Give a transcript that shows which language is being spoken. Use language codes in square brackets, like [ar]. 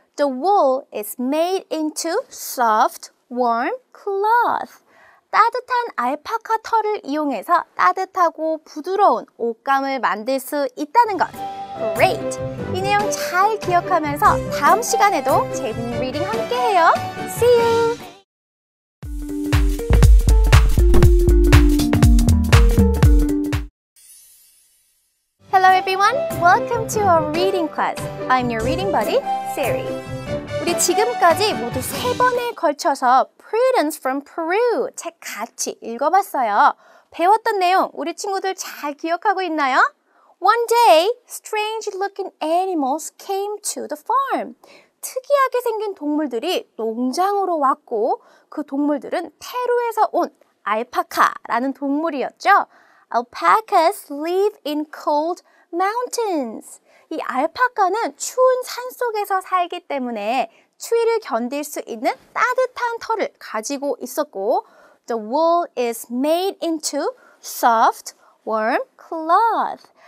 [en] the wool is made into soft, warm cloth. [ko] 따뜻한 알파카 털을 이용해서 따뜻하고 부드러운 옷감을 만들 수 있다는 것. [en] Great! [ko] 이 내용 잘 기억하면서 다음 시간에도 재미있는 리딩 함께해요. [en] See you! Hello everyone! Welcome to our reading class. I'm your reading buddy, Sari. [ko] 우리 지금까지 모두 세 번에 걸쳐서 Prudence from Peru 책 같이 읽어봤어요. 배웠던 내용 우리 친구들 잘 기억하고 있나요? [en] One day, strange-looking animals came to the farm. [ko] 특이하게 생긴 동물들이 농장으로 왔고 그 동물들은 페루에서 온 알파카라는 동물이었죠. [en] Alpacas live in cold mountains. [ko] 이 알파카는 추운 산 속에서 살기 때문에 추위를 견딜 수 있는 따뜻한 털을 가지고 있었고 [en] The wool is made into soft, warm cloth.